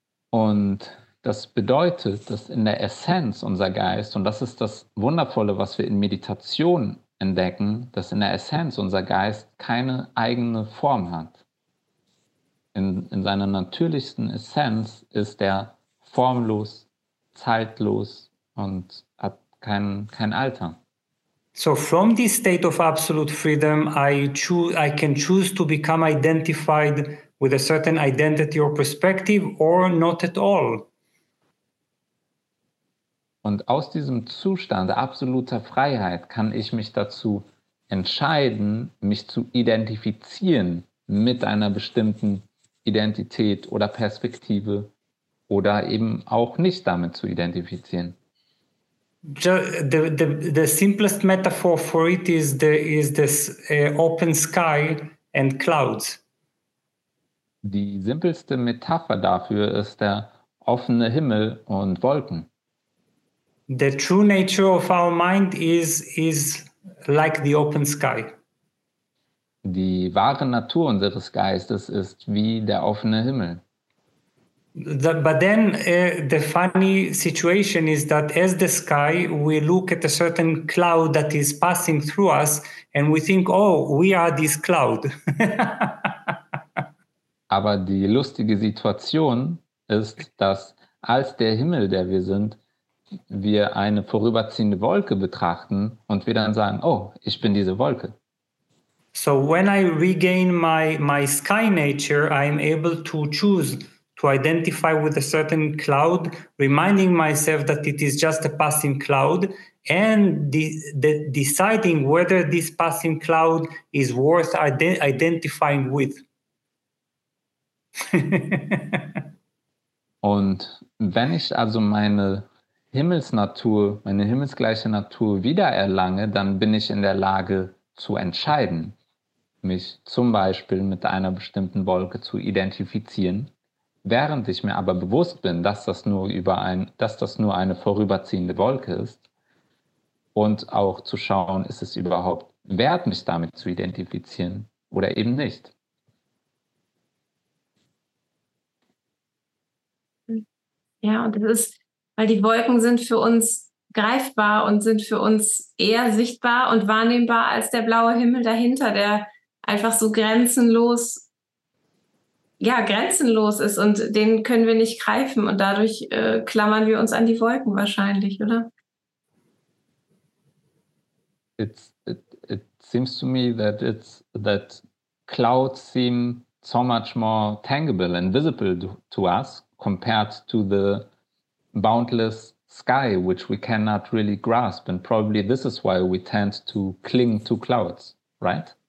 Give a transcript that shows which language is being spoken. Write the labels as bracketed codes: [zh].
[de] Und das bedeutet, dass in der Essenz unser Geist, und das ist das Wundervolle, was wir in Meditation entdecken, dass in der Essenz unser Geist keine eigene Form hat. In seiner natürlichsten Essenz ist er formlos, zeitlos und hat kein Alter. [en] So from this state of absolute freedom, I can choose to become identified with a certain identity or perspective or not at all. [de] Und aus diesem Zustand absoluter Freiheit kann ich mich dazu entscheiden, mich zu identifizieren mit einer bestimmten Identität oder Perspektive oder eben auch nicht damit zu identifizieren. [en] The simplest metaphor for it is this open sky and clouds. [de] Die simpelste Metapher dafür ist der offene Himmel und Wolken. [en] The true nature of our mind is like the open sky. [de] Die wahre Natur unseres Geistes ist wie der offene Himmel. [en] But then the funny situation is that as the sky, we look at a certain cloud that is passing through us and we think, oh, we are this cloud. [de] Aber die lustige Situation ist, dass als der Himmel, der wir sind, wir eine vorüberziehende Wolke betrachten und wir dann sagen, oh, ich bin diese Wolke. [en] So when I regain my sky nature, I'm able to choose to identify with a certain cloud, reminding myself that it is just a passing cloud, and deciding whether this passing cloud is worth identifying with. [de] Und wenn ich also meine himmelsgleiche Natur wiedererlange, dann bin ich in der Lage zu entscheiden, mich zum Beispiel mit einer bestimmten Wolke zu identifizieren, während ich mir aber bewusst bin, dass das nur eine vorüberziehende Wolke ist und auch zu schauen, ist es überhaupt wert, mich damit zu identifizieren oder eben nicht. Ja, und das ist, weil die Wolken sind für uns greifbar und sind für uns eher sichtbar und wahrnehmbar als der blaue Himmel dahinter, der einfach so grenzenlos ist und den können wir nicht greifen und dadurch klammern wir uns an die Wolken wahrscheinlich, oder? [en] it seems to me that it's that clouds seem so much more tangible and visible to us compared to the boundless sky, which we cannot really grasp. And probably this is why we tend to cling to clouds, right?